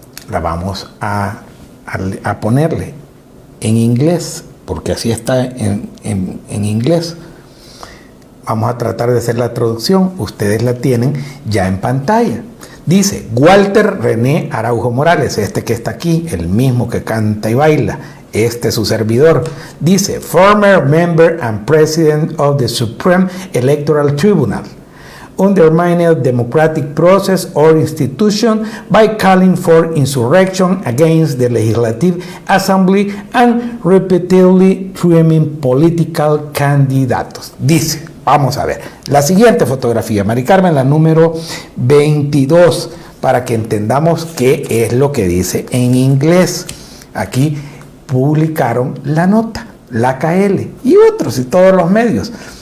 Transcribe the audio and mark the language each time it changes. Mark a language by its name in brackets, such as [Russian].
[Spanish] La vamos a ponerle en inglés, porque así está en inglés. Vamos a tratar de hacer la traducción. Ustedes la tienen ya en pantalla. Dice Walter René Araujo Morales, este que está aquí, el mismo que canta y baila, este es su servidor. [English] Dice, former member and president of the Supreme Electoral Tribunal, undermining democratic process or institution by calling for insurrection against the Legislative Assembly and repeatedly trimming political candidatos. [Spanish] Dice, vamos a ver, la siguiente fotografía, Mari Carmen, la número 22, para que entendamos qué es lo que dice en inglés. Aquí publicaron la nota, la KL y otros y todos los medios.